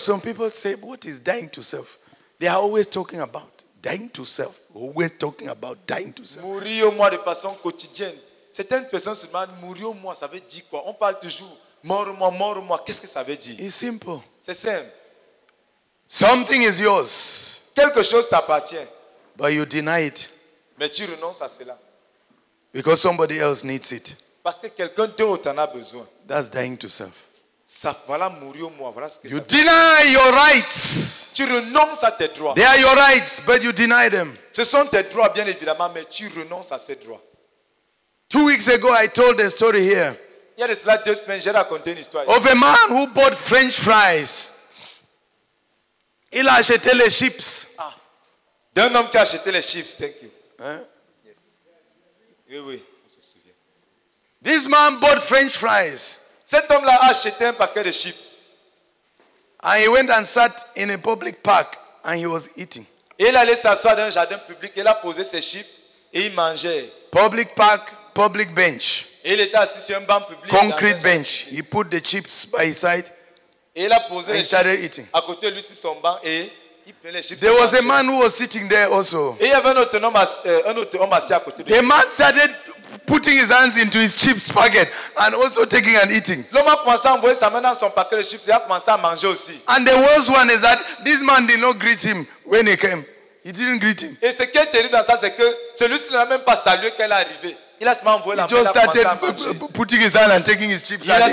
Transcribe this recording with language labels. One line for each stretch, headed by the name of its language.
English: Some people say, what is dying to self? They are always talking about dying to self. Always talking about dying to self.
French: Mourir au moi de façon quotidienne. Certaines personnes se demandent, mourir au moi, ça veut dire quoi? On parle toujours, mort au moi, qu'est-ce que ça veut dire?
English: It's simple.
French: C'est simple.
English: Something is yours.
French: Quelque chose t'appartient.
English: But you deny it.
French: Mais tu renonces à cela.
English: Because somebody else needs it.
French: Parce que quelqu'un d'autre en a besoin.
English: That's dying to self.
French: Ça, voilà mourir au moi. Voilà ce que
English: you deny your rights.
French: Tu renonces à tes droits.
English: They are your rights, but you deny them.
French: Ce sont tes droits, bien évidemment, mais tu renonces à ces droits.
English: 2 weeks ago, I told a story here.
French: Il y a de cela 2 semaines, j'ai raconté une histoire.
English: Of a man who bought French fries.
French: Il a acheté les chips. Ah. D'un homme qui a acheté les chips,
English: thank you. Hein?
French: Yes. Oui, on se souvient.
English: This man bought French fries.
French: Cet homme-là a acheté un paquet de chips.
English: And he went and sat in a public park and he was eating.
French: Et il allait s'asseoir dans un jardin public, il a posé ses chips et il mangeait.
English: Public park, public bench.
French: Et il était assis sur un banc public.
English: Concrete bench. Public. He put the chips by his side.
French: Et il a posé les chips à côté de lui sur son banc et il prenait les chips.
English: There was a man who was sitting there also.
French: Et il y avait un autre homme assis à côté de lui.
English: The man started putting his hands into his chips pocket and also taking and eating.
French: L'homme a commencé à envoyer sa main dans son paquet de chips et a commencé à manger aussi.
English: And the worst one is that this man did not greet him when he came. He didn't greet him.
French: Et ce qui est terrible dans ça, c'est que celui-ci n'a même pas salué quand il est arrivé. Il a seulement envoyé la main.
English: He just started putting his hand and taking his chips and eating.